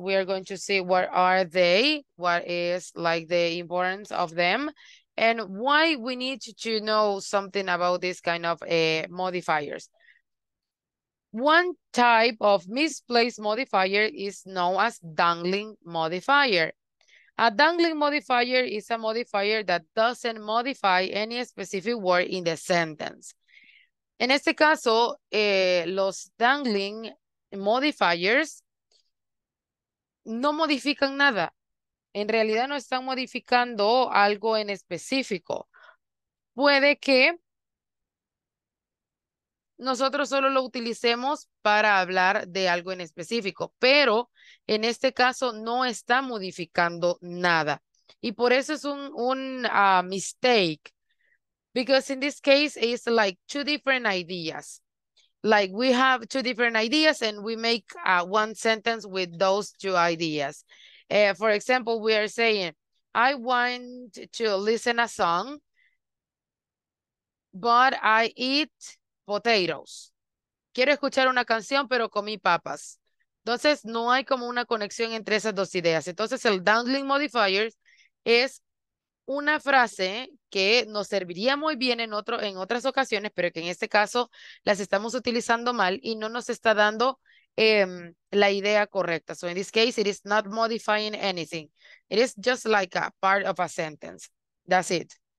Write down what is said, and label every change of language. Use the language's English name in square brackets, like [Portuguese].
[English] We are going to see what are they, what is like the importance of them, and why we need to know something about this kind of modifiers. One type of misplaced modifier is known as dangling modifier. A dangling modifier is a modifier that doesn't modify any specific word in the sentence. [Spanish] En este caso, los dangling modifiers no modifican nada. En realidad no están modificando algo en específico. Puede que nosotros solo lo utilicemos para hablar de algo en específico, pero en este caso no está modificando nada. Y por eso es un mistake. [English] Because in this case, it's like two different ideas. Like we have two different ideas and we make one sentence with those two ideas. For example, we are saying, I want to listen a song, but I eat potatoes. [Spanish] Quiero escuchar una canción, pero comí papas. Entonces, no hay como una conexión entre esas dos ideas. Entonces, el dangling modifier es una frase que nos serviría muy bien en otras ocasiones, pero que en este caso las estamos utilizando mal y no nos está dando la idea correcta. [English] So, in this case, it is not modifying anything. It is just like a part of a sentence. That's it.